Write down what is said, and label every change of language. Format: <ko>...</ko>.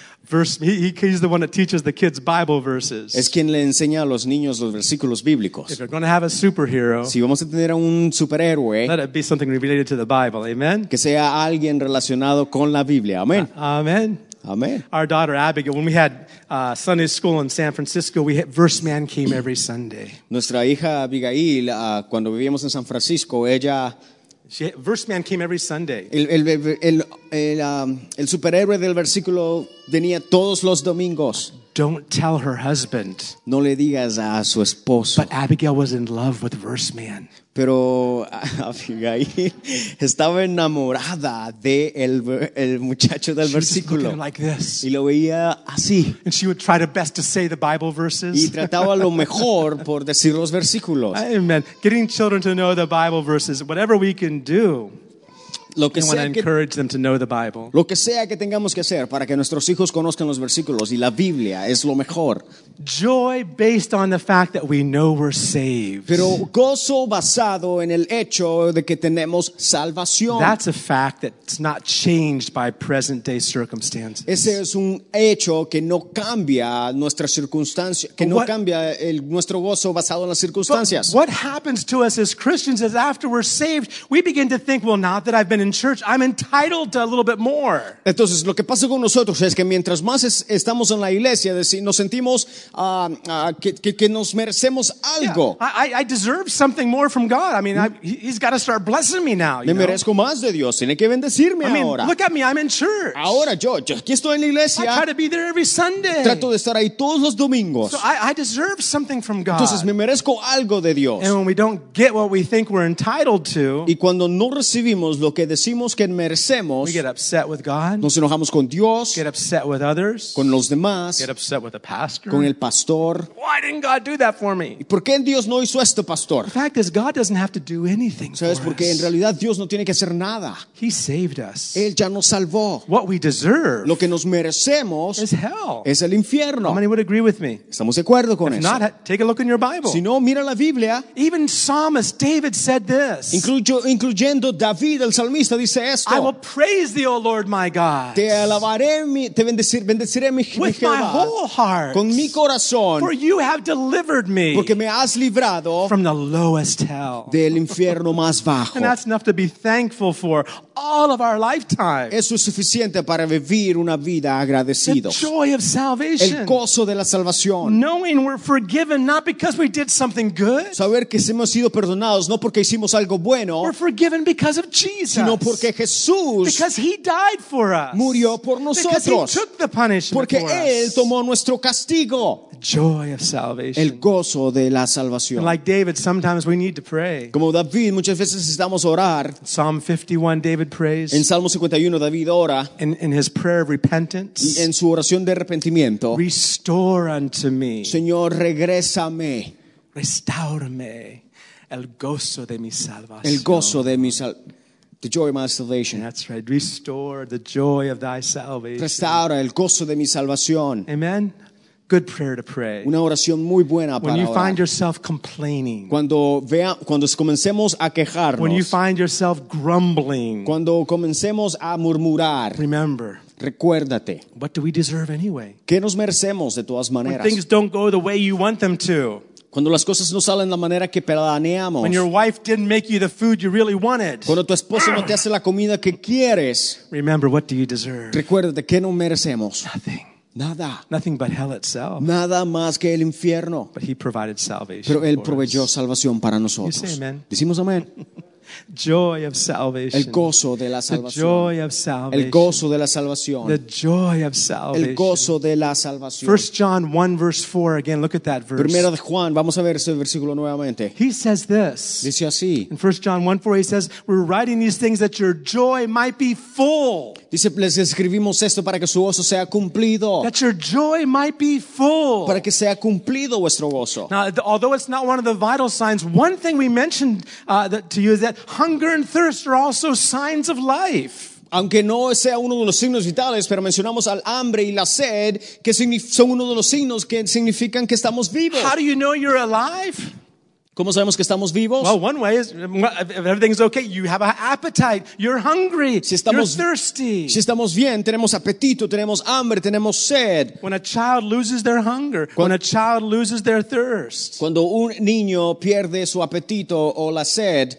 <en>Verse, he's the one that teaches the kids Bible verses.</en> <es>Es quien le enseña a los niños los versículos bíblicos.</es> <en>If you're going to have a superhero,</en> <es>si vamos a tener un superhéroe,</es> <en>let it be something related to the Bible. Amen.</en> <es>Que sea alguien relacionado con la Biblia. Amen.</es> <en>Amen. Amen. Our daughter Abigail, when we had Sunday school in San Francisco, we had verse man came every Sunday.</en> <es>Nuestra hija Abigail, cuando vivíamos en San Francisco, ella.</es> <en>Verse man came every Sunday.</en> <es>El superhéroe del versículo venía todos los domingos.</es> <en>Don't tell her husband.</en> <es>No le digas a su esposo.</es> <en>But Abigail was in love with verse man.</en> <es>Pero Abigail estaba enamorada de el muchacho del</es> <en>she</en> <es>versículo.</es> <en>Was looking at him like this.</en> <es>Y lo veía así.</es> <en>And she would try the best to say the Bible verses.</en> <es>Y trataba lo mejor por decir los versículos.</es> <en>Amen. Getting children to know the Bible verses, whatever we can do.</en> <es>Lo que</es> <en>and</en> <es>sea</es> <en>want to encourage them to know the Bible.</en> <es>Lo que sea que tengamos que hacer para que nuestros hijos conozcan los versículos y la Biblia es lo mejor.</es> <en>Joy based on the fact that we know we're saved.</en> <es>Pero gozo basado en el hecho de que tenemos salvación.</es> <en>That's a fact that's not changed by present day circumstances.</en> <es>Ese es un hecho que no cambia nuestra circunstancia, que no cambia nuestro gozo basado en las circunstancias.</es> <en>But what happens to us as Christians is after we're saved, we begin to think, well, not that I've been in church, I'm entitled to a little bit more.</en> <es>Entonces, lo que pasa con nosotros es que mientras más estamos en la iglesia, nos sentimos que nos merecemos algo.</es> <en>Yeah, I deserve something more from God. I mean, he's got to start blessing me now.</en> <es>Me merezco más de Dios. Tiene que bendecirme ahora.</es> <en>Look at me, I'm in church.</en> <es>Ahora yo aquí estoy en la iglesia.</es> <en>I try to be there every Sunday.</en> <es>Trato de estar ahí todos los domingos.</es> <en>So I deserve something from God.</en> <es>Entonces, me merezco algo de Dios.</es> <en>And when we don't get what we think we're entitled to,</en> <es>y cuando no recibimos lo que decimos que merecemos,</es> <en>we get upset with God,</en> <es>nos enojamos con Dios,</es> <en>get upset with others,</en> <es>con los demás,</es> <en>get upset with the pastor,</en> <es>con el pastor.</es> <en>Why didn't God do that for me?</en> <es>¿Por qué Dios no hizo esto, pastor?</es> <en>The fact is, God doesn't have to do anything.</en> <es>¿Sabes por qué? En realidad, Dios no tiene que hacer nada.</es> <en>He saved us.</en> <es>Él ya nos salvó.</es> <en>What we deserve,</en> <es>lo que nos merecemos,</es> <en>is hell.</en> <es>Es el infierno.</es> <en>How many would agree with me?</en> <es>Estamos de acuerdo con</es> <en>if</en> <es>eso.</es> <en>Not, take a look in your Bible.</en> <es>Si no, mira la Biblia.</es> <en>Even Psalmist David said this.</en> <es>Incluyendo David, el salmista dice esto.</es> <en>I will praise thee, O Lord, my God.</en> <es>Te alabaré, te bendeciré, mi Jehová.</es> <en>With my whole heart.</en> <es>Con mi corazón.</es> <en>For you have delivered me.</en> <es>Porque me has librado.</es> <en>From the lowest hell.</en> <es>Del infierno más bajo.</es> <en>And that's enough to be thankful for all of our lifetime.</en> <es>Eso es suficiente para vivir una vida agradecido.</es> <en>The joy of salvation.</en> <es>El gozo de la salvación.</es> <en>Knowing we're forgiven not because we did something good.</en> <es>Saber que hemos sido perdonados no porque hicimos algo bueno.</es> <en>We're forgiven because of Jesus.</en> <es>Sino porque Jesús.</es> <en>Because he died for us.</en> <es>Murió por nosotros.</es> <en>Because he took the punishment</en> <es>porque</es> <en>for us.</en> <es>Porque él tomó nuestro castigo.</es> <en>Joy of salvation.</en> <es>El gozo de la salvación.</es> <en>And like David, sometimes we need to pray.</en> <es>Como David, muchas veces necesitamos orar.</es> <en>Psalm 51, David prays.</en> <es>En Salmo 51, David ora.</es> <en>In his prayer of repentance.</en> <es>En su oración de arrepentimiento.</es> <en>Restore unto me.</en> <es>Señor, regrésame. Restáurame el gozo de mi salvación. El gozo de mi salvación.</es> <en>The joy of my salvation. That's right. Restore the joy of thy salvation.</en> <es>Restaura el gozo de mi salvación.</es> <en>Amen. Good prayer to pray.</en> <es>Una oración muy buena para</es> <en>when you</en> <es>orar.</es> <en>Find yourself complaining.</en> <es>Cuando comencemos a quejarnos.</es> <en>When you find yourself grumbling.</en> <es>Cuando comencemos a murmurar.</es> <en>Remember.</en> <es>Recuérdate.</es> <en>What do we deserve anyway?</en> <es>¿Qué nos merecemos de todas maneras?</es> <en>When things don't go the way you want them to.</en> <es>Cuando las cosas no salen la manera que planeamos.</es> <en>When your wife didn't make you the food you really wanted.</en> <es>Cuando tu esposo no te hace la comida que quieres.</es> <en>Remember, what do you deserve?</en> <es>Recuérdate, ¿qué no merecemos?</es> <en>Nothing.</en> <es>Nada.</es> <en>Nothing but hell itself.</en> <es>Nada más que el infierno.</es> <en>But he provided salvation.</en> <es>Pero él proveyó salvación para nosotros.</es> <en>You say amen.</en> <es>Decimos amén.</es> <en>Joy of salvation.</en> <es>El gozo de la salvación.</es> <en>The joy of salvation.</en> <es>El gozo de la salvación.</es> <en>The joy of salvation.</en> <es>El gozo de la salvación.</es> <en>1 John 1 verse 4 again. Look at that verse.</en> <es>Primera de Juan, vamos a ver ese versículo nuevamente.</es> <en>He says this.</en> <es>Dice así.</es> <en>In 1 John 1 4 he says, "We're writing these things that your joy might be full."</en> <es>Dice, les escribimos esto para que su gozo sea cumplido.</es> <en>That your joy might be full.</en> <es>Para que sea cumplido vuestro gozo.</es> <en>Now, although it's not one of the vital signs, one thing we mentioned to you is that hunger and thirst are also signs of life.</en> <es>Aunque no sea uno de los signos vitales, pero mencionamos al hambre y la sed, que son uno de los signos que significan que estamos vivos.</es> <en>How do you know you're alive?</en> <es>¿Cómo sabemos que estamos vivos?</es> <en>Well, one way is, if everything's okay, you have an appetite, you're hungry,</en> <es>si estamos,</es> <en>you're thirsty.</en> <es>Si estamos bien, tenemos apetito, tenemos hambre, tenemos sed.</es> <en>When a child loses their hunger, when a child loses their thirst,</en> <es>cuando un niño pierde su apetito o la sed,</es>